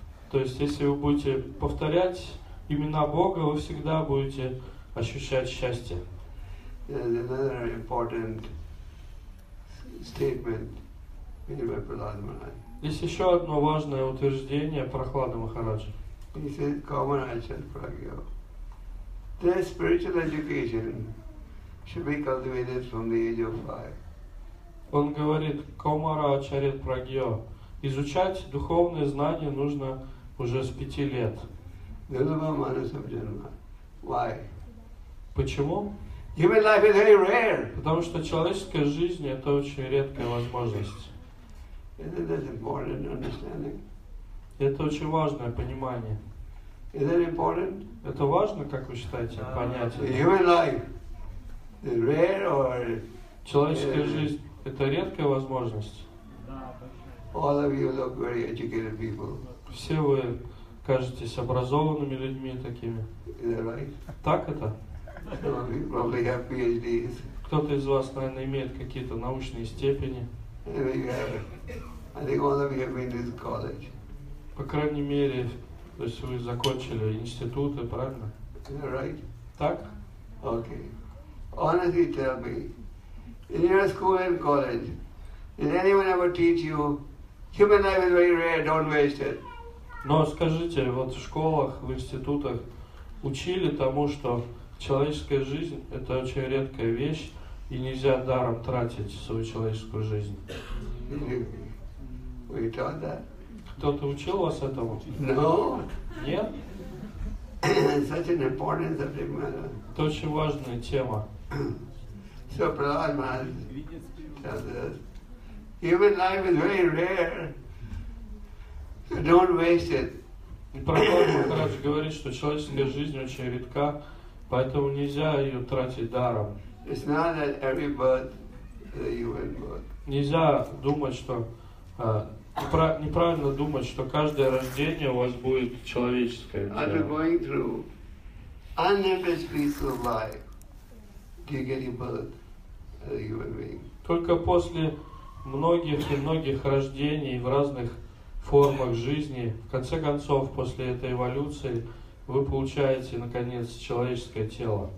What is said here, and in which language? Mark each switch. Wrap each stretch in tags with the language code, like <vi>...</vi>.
<ru>То есть, если вы будете повторять имена Бога, вы всегда будете ощущать счастье.</ru> <en>There's another important statement made by Prahlad Maharaj.</en> <ru>Есть еще одно важное утверждение Прахлада Махараджа.</ru> <en>He said, Kamaraja Pragya, the spiritual education should be cultivated from the age of 5.</en> <ru>Он говорит, Комара Ачарит Прагьё, изучать духовные знания нужно уже с 5 лет.</ru> <en>Why?</en> <ru>Почему?</ru> <en>Human life is very rare.</en> <ru>Потому что человеческая жизнь – это очень редкая возможность.</ru> <en>Isn't that important understanding?</en> <ru>Это очень важное понимание.</ru> <en>Is that important?</en> <ru>Это важно, как вы считаете, понятие?</ru> <en>Human life, rare or</en> <ru>человеческая жизнь — это редкая возможность.</ru> <en>All of you look very educated people.</en> <ru>Все вы кажетесь образованными людьми такими.</ru> <en>Is that right?</en> <ru>Так это?</ru> <en>Probably have PhDs.</en> <ru>Кто-то из вас, наверное, имеет какие-то научные степени.</ru> <en>I think all of you have been to college.</en> <ru>По крайней мере, то есть вы закончили институты, правильно?</ru> <en>Right.</en> <ru>Так?</ru> <en>Okay. Honestly, tell me, in your school and college, did anyone ever teach you human life is very rare, don't waste it?</en> <ru>Но скажите, вот в школах, в институтах учили тому, что человеческая жизнь — это очень редкая вещь, и нельзя даром тратить свою человеческую жизнь.</ru> <en>We taught that?</en> <ru>Кто-то учил вас этому?</ru> <en>No.</en> <ru>Нет?</ru> <en>Such an important subject matter.</en> <ru>Это очень важная тема.</ru> <en>So Prahlad Maharaj tells us, human life is very rare, so don't waste it.</en> <ru>Прахлад Махарадж говорит, что человеческая жизнь очень редка, поэтому нельзя ее тратить даром.</ru> <en>It's not that every birth is a human birth.</en> <ru>Нельзя думать, что неправильно думать, что каждое рождение у вас будет человеческое.</ru> <en>After going through unlimited peaceful life, do you get a birth as a human being?</en> <ru>Только после многих и многих рождений в разных формах жизни, в конце концов, после этой эволюции, вы получаете, наконец, человеческое тело.</ru>